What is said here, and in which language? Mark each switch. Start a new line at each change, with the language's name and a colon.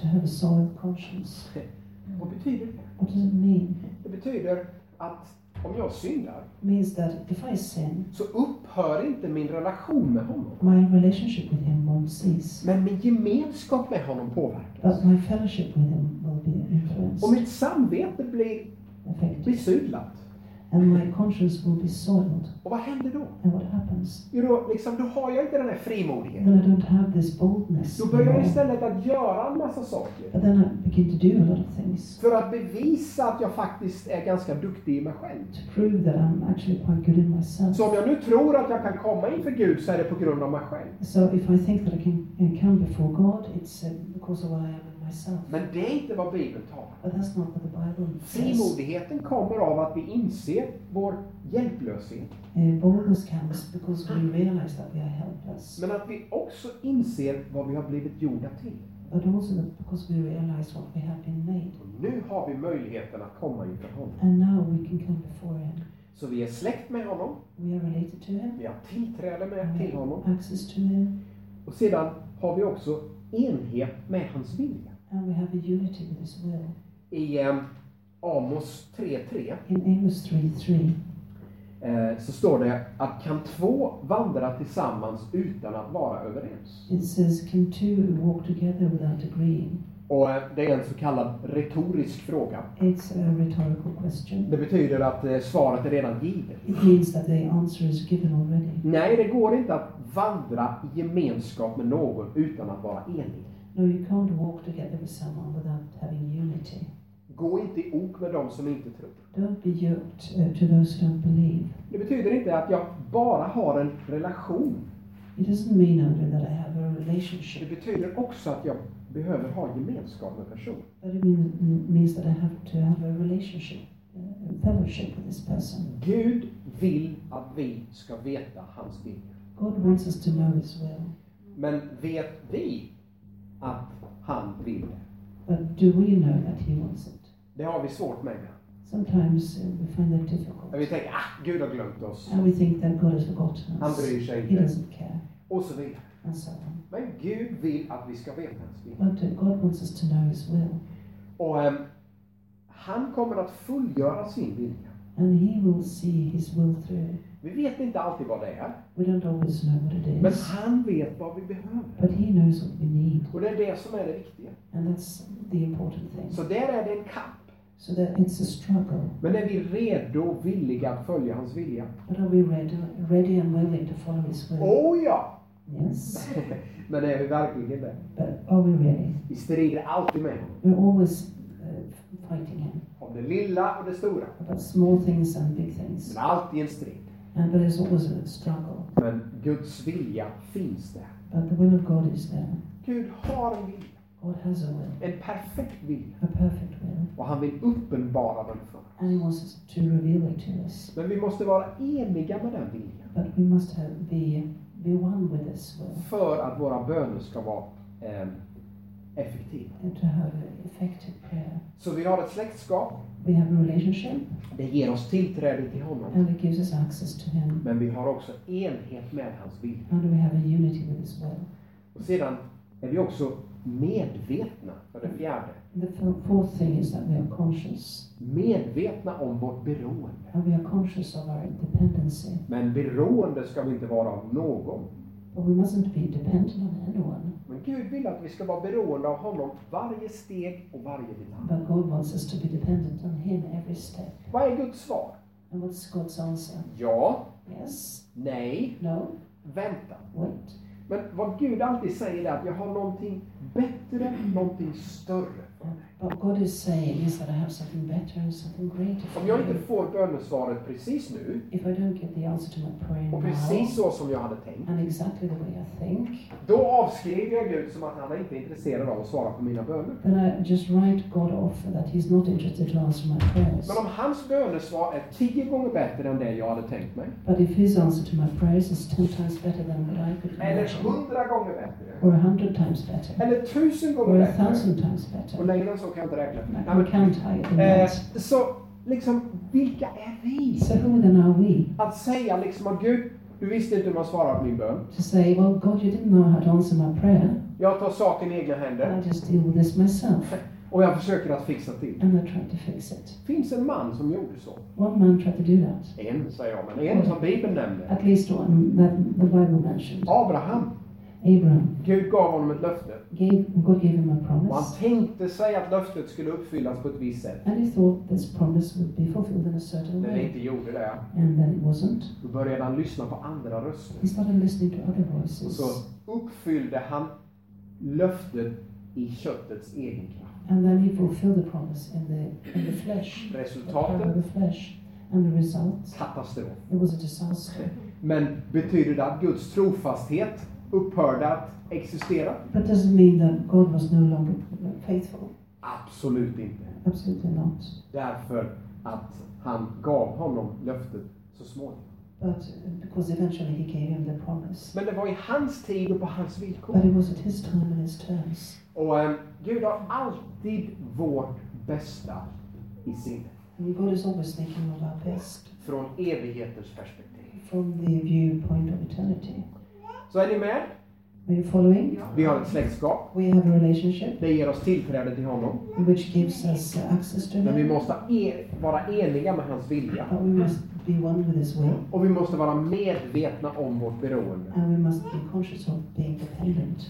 English: To have a soiled conscience.
Swedish: Vad betyder det?
English: What does it mean?
Swedish: Det betyder att om jag syndar,
English: means that if I sin,
Swedish: så upphör inte min relation med honom.
English: My relationship with him won't cease.
Swedish: Men min gemenskap med honom påverkas.
English: But my fellowship with him will be influenced.
Swedish: Och mitt samvete blir sudlat.
English: And my conscience will be soiled.
Swedish: Och vad händer då?
English: And what happens?
Swedish: Jo, då, liksom, då har jag inte den här frimodigheten.
English: Then I don't have this boldness.
Swedish: Då börjar jag istället att göra en massa saker.
English: But then I begin to do a lot of things.
Swedish: För att bevisa att jag faktiskt är ganska duktig i mig själv.
English: To prove that I'm actually quite good in myself.
Swedish: Så om jag nu tror att jag kan komma inför Gud så är det på grund av mig själv.
English: So if I think that I can come before God, it's because of what I am. Myself.
Swedish: Men det är inte vad Bibeln talar.
English: But that's not what the Bible says.
Swedish: Frimodigheten kommer av att vi inser vår hjälplöshet.
English: Boldness comes because we realize that we are helpless.
Swedish: Men att vi också inser vad vi har blivit gjorda till.
English: But also because we realize what we have been made.
Swedish: Och nu har vi möjligheten att komma inför honom.
English: And now we can come before him.
Swedish: Så vi är släkt med honom.
English: We are related to him.
Swedish: Vi har tillträde med till honom.
English: Access to him.
Swedish: Och sedan har vi också enhet med hans vilja.
English: And we have a unity with his will.
Swedish: I Amos 3:3.
English: In Amos 3:3.
Swedish: Så står det att kan två vandra tillsammans utan att vara överens.
English: It says can two walk together without agreeing.
Swedish: Och det är en så kallad retorisk fråga.
English: It's a rhetorical question.
Swedish: Det betyder att svaret är redan givet.
English: It means that the answer is given already.
Swedish: Nej, det går inte att vandra i gemenskap med någon utan att vara enig.
English: No, you can't walk together with someone without having unity.
Swedish: Gå inte i ok med dem som inte tror.
English: Don't be yoked to those who don't believe.
Swedish: Det betyder inte att jag bara har en relation.
English: It doesn't mean only that I have a relationship.
Swedish: Det betyder också att jag behöver ha gemenskap med person.
English: But it means that I have to have a relationship, a fellowship with this person.
Swedish: Gud vill att vi ska veta hans vilja.
English: God wants us to know his will.
Swedish: Men vet vi att han vill det?
English: But do we know that he wants it?
Swedish: Det har vi svårt med.
English: Sometimes we find that difficult. And we think,
Swedish: ah, Gud har glömt oss.
English: And we think that God has forgotten us.
Swedish: Han bryr sig inte.
English: He doesn't care.
Swedish: Och så vidare.
English: And so on.
Swedish: Men Gud vill att vi ska veta hans vilja.
English: But God wants us to know his will.
Swedish: Och han kommer att fullgöra sin vilja.
English: And he will see his will through.
Swedish: Vi vet inte alltid vad det är.
English: We don't always know what it is.
Swedish: Men han vet vad vi behöver.
English: But he knows what we need.
Swedish: Och det är det som är det viktiga.
English: And that's the important thing.
Swedish: Så där är det en kamp.
English: So that it's a struggle.
Swedish: Men är vi redo och villiga att följa hans vilja?
English: But are we ready and willing to follow his will?
Swedish: Oh ja!
English: Yes.
Swedish: Men är vi verkligen det?
English: But are we ready?
Swedish: Vi strider alltid med honom.
English: We're always fighting him.
Swedish: Om det lilla och det stora.
English: About small things and big things.
Swedish: Men alltid en strid.
English: And but it's always a struggle.
Swedish: Men Guds vilja finns där.
English: But the will of God is there.
Swedish: Gud har en vilja.
English: God has a will.
Swedish: En perfekt vilja.
English: A perfect will.
Swedish: Och han vill uppenbara den för oss.
English: And he wants to reveal it to us.
Swedish: Men vi måste vara eniga med den viljan.
English: But we must be one with this will.
Swedish: För att våra böner ska vara effektiva.
English: And to have an effective prayer.
Swedish: Så vi har ett släktskap.
English: We have a relationship.
Swedish: Det ger oss tillträde till honom.
English: And it gives us access to him.
Swedish: Men vi har också enhet med hans vilja.
English: And we have a unity with his will.
Swedish: Och sedan är vi också medvetna för det fjärde.
English: The fourth thing is that we are conscious.
Swedish: Medvetna om vårt beroende.
English: And we are conscious of our dependency.
Swedish: Men beroende ska vi inte vara av någon.
English: But we mustn't be dependent on anyone.
Swedish: Men Gud vill att vi ska vara beroende av honom varje steg och varje detalj.
English: But God wants us to be dependent on him every step.
Swedish: Vad är Guds svar?
English: And what's God's answer?
Swedish: Ja.
English: Yes.
Swedish: Nej.
English: No.
Swedish: Vänta.
English: Wait.
Swedish: Men vad Gud alltid säger är att jag har någonting bättre, någonting större.
English: But God is saying is that I have something better and something greater.
Swedish: Om jag inte får bönesvaret precis nu.
English: If I don't get the answer to my prayer.
Swedish: Och precis så som jag hade tänkt.
English: And exactly the way I think.
Swedish: Då avskriver jag Gud som att han inte är intresserad av att svara på mina böner.
English: Then I just write God off that he's not interested to answer my prayers.
Swedish: Men om hans bönesvar är 10 gånger bättre än det jag hade tänkt mig.
English: But if his answer to my prayers is 10 times better than what I could imagine.
Swedish: Eller 100 gånger bättre.
English: Or 100 times better.
Swedish: Eller 1000 gånger bättre.
English: Or 1000 times better.
Swedish: Och längre så kan jag inte räkna. Nej, men,
English: can't I
Swedish: så liksom, vilka är vi?
English: So who then are we?
Swedish: Att säga liksom, oh, Gud, du visste inte hur man svarade på min bön.
English: To say, well God, you didn't know how to answer my prayer.
Swedish: Jag tar saken i egna händer.
English: I just deal with this myself.
Swedish: Och jag försöker att fixa till.
English: And I try to fix it.
Swedish: Finns en man som gjorde så?
English: One man tried to do that.
Swedish: En, säger jag, men en som Bibeln nämnde.
English: At least one that the Bible mentioned.
Swedish: Abraham.
English: Abraham.
Swedish: Gud gav honom ett löfte.
English: God gave him a promise.
Swedish: Han tänkte sig att löftet skulle uppfyllas på ett visst sätt.
English: And he thought this promise would be fulfilled in a certain way.
Swedish: Men inte gjorde det.
English: And then it wasn't.
Swedish: Då började han lyssna på andra röster.
English: He started listening to other voices.
Swedish: Och så uppfyllde han löftet i köttets egen kraft.
English: And then he fulfilled the promise in the flesh.
Swedish: Resultatet.
English: The flesh. And the result.
Swedish: Katastrof.
English: It was a disaster.
Swedish: Men betyder det att Guds trofasthet upphörde att existera?
English: But does it mean that God was no longer faithful?
Swedish: Absolut inte.
English: Absolutely not.
Swedish: Därför att han gav honom löftet så småningom.
English: But because eventually he gave him the promise.
Swedish: Men det var i hans tid och på hans villkor.
English: But it was at his time and his terms.
Swedish: Och Gud har alltid vårt bästa i sinne.
English: And God is always thinking of our best.
Swedish: Från evighetens perspektiv.
English: From the viewpoint of eternity.
Swedish: Så är ni med?
English: Are you following?
Swedish: Vi har ett släktskap.
English: We have a relationship.
Swedish: Det ger oss tillträde till honom.
English: Which gives us access to him.
Swedish: Men vi måste vara eniga med hans vilja.
English: But we must be one with his will.
Swedish: Och vi måste vara medvetna om vårt beroende.
English: And we must be conscious of being dependent.